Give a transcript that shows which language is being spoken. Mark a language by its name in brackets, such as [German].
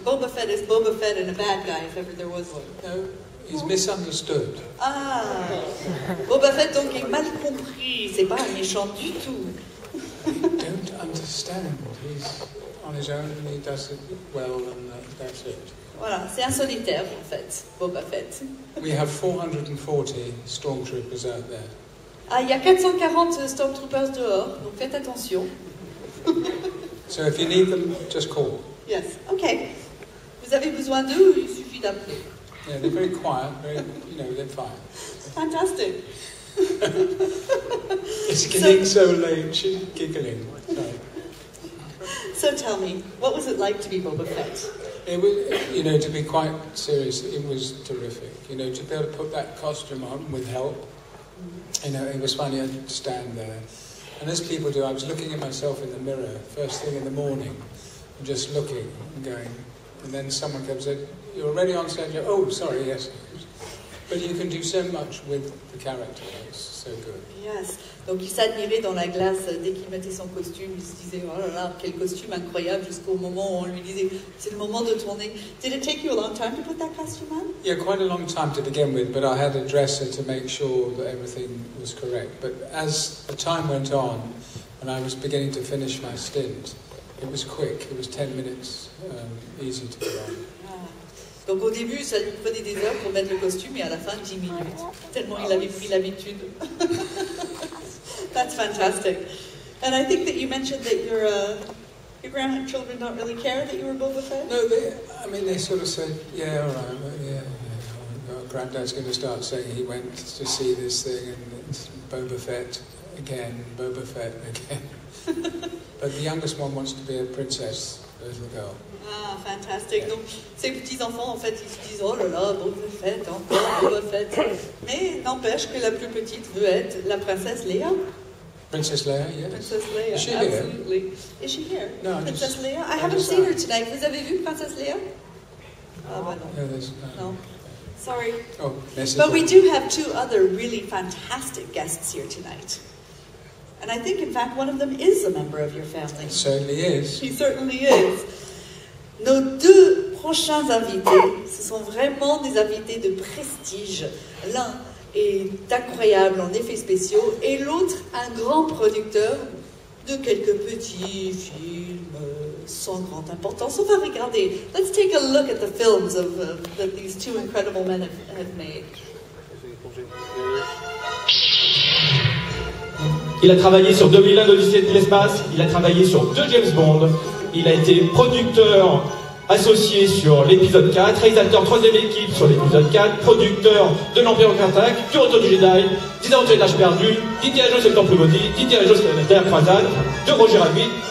[English] Boba Fett is Boba Fett and a bad guy, if ever there was one. No. He's misunderstood. [French] Ah, Boba Fett donc est mal compris. C'est pas un méchant du tout. [English] I don't understand. He's on his own and he does it well and that's it. [French] Voilà, c'est un solitaire en fait, Boba Fett. [English] We have 440 stormtroopers out there. [French] Ah, il y a 440 stormtroopers dehors, donc faites attention. [English] So if you need them, just call. Yes, okay. [French] Vous avez besoin d'eux, il suffit d'appeler. [English] Yeah, they're very quiet, they're fine. Fantastic. It's getting so late, she's giggling. So tell me, what was it like to be Boba Fett? It was, you know, to be quite serious, it was terrific. You know, to be able to put that costume on with help, you know, it was funny to stand there. And as people do, I was looking at myself in the mirror, first thing in the morning, just looking and going, and then someone comes in, you're already on set, you're, oh, sorry, yes. But you can do so much with the character, it's so good. [French] Yes, donc il s'admirait dans la glace dès qu'il mettait son costume, il se disait, oh là là, quel costume incroyable, jusqu'au moment où on lui disait, c'est le moment de tourner. [English] Did it take you a long time to put that costume on? Yeah, quite a long time to begin with, but I had a dresser to make sure that everything was correct. But as the time went on, and I was beginning to finish my stint, it was quick, it was 10 minutes, easy to put on. [French] Donc au début, ça lui prenait des heures pour mettre le costume, et à la fin, 10 minutes. Tellement il avait pris l'habitude. [English] That's fantastic. And I think that you mentioned that your grandchildren don't really care that you were Boba Fett. No, they sort of said, yeah, all right, but yeah. Granddad's going to start saying he went to see this thing, and it's Boba Fett again. But the youngest one wants to be a princess, the little girl. Ah, fantastic. Yeah. [French] Donc, ses petits-enfants, en fait, ils se disent, oh là là, Boba Fett, encore Boba Fett. Mais n'empêche que la plus petite veut être la princesse Leia. [English] Princess Leia, yes. Princess Leia, is she absolutely. Here? Is she here? No, princess just, Leia? I haven't seen her tonight. [French] Vous avez vu Princess Leia? Ah, bah non. [English] Yeah, no. Sorry. Oh, necessary. But we do have two other really fantastic guests here tonight. And I think, in fact, one of them is a member of your family. He certainly is. He certainly is. [French] Nos deux prochains invités, ce sont vraiment des invités de prestige. L'un est incroyable en effets spéciaux et l'autre un grand producteur de quelques petits films sans grande importance. On va regarder. [English] Let's take a look at the films that these two incredible men have made. [French] Il a travaillé sur 2001 l'Odyssée de l'espace, il a travaillé sur deux James Bond. Il a été producteur associé sur l'épisode 4, réalisateur 3ème équipe sur l'épisode 4, producteur de l'Empire contre-attaque, du Retour du Jedi, d'Indiana Jones l'âge perdu, d'Indiana Jones et le temple maudit, d'Indiana Jones et la dernière croisade, de Roger Rabbit.